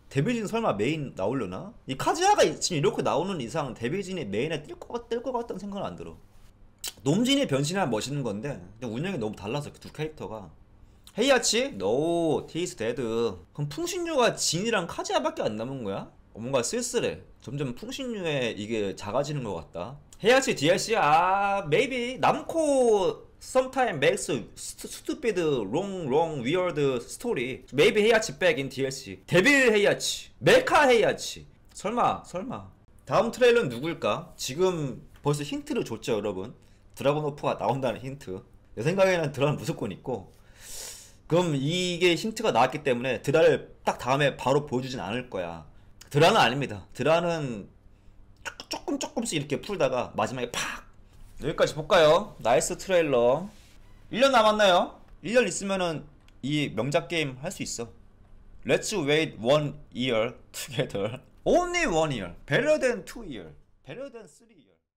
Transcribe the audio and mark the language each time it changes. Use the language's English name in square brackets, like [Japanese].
[Korean] 데빌진 설마 메인 나오려나? 이 카즈야가 지금 이렇게 나오는 이상 데빌진이 메인에 뜰 것 같다는 생각은 안 들어. 놈진이 변신하면 멋있는 건데 근데 운영이 너무 달라서 두 캐릭터가 헤이아치? [English] No, T's dead. [Korean] 그럼 풍신류가 진이랑 카즈야밖에 안 남은 거야? 뭔가 쓸쓸해. 점점 풍신류에 이게 작아지는 것 같다. 헤이아치 DLC? 아, [English] maybe. 남코 sometime makes stupid, wrong, weird story. Maybe 헤이아치 back in DLC. [Korean] 데빌 헤이아치. 메카 헤이아치. 설마. 다음 트레일러는 누굴까? 지금 벌써 힌트를 줬죠, 여러분. 드래곤 오프가 나온다는 힌트. 내 생각에는 드라는 무조건 있고. 그럼 이게 힌트가 나왔기 때문에 드라를 딱 다음에 바로 보여주진 않을 거야. 드라는 아닙니다. 드라는 조금씩 이렇게 풀다가 마지막에 팍! 여기까지 볼까요? 나이스 트레일러. 1년 남았나요? 1년 있으면은 이 명작 게임 할 수 있어. [English] Let's wait one year together. Only one year. Better than two year. Better than three year.